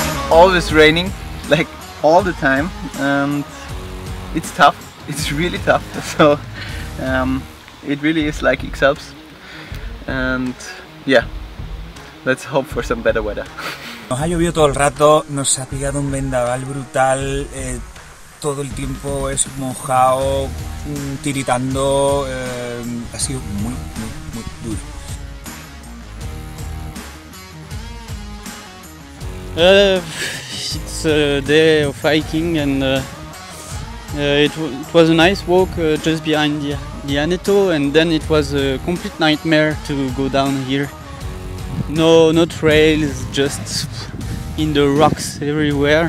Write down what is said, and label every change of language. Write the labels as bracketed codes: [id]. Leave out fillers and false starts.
[en] All this raining, like all the time, and it's tough, it's really tough, so it really is like X-Alps, and yeah, let's hope for some better weather. [es] Nos ha llovido todo el rato, nos ha pillado un vendaval brutal, todo el tiempo es mojado, tiritando, ha sido muy, muy, muy [en] It's a day of hiking, and it was a nice walk just behind the Aneto, and then it was a complete nightmare to go down here. No trails, just in the rocks everywhere.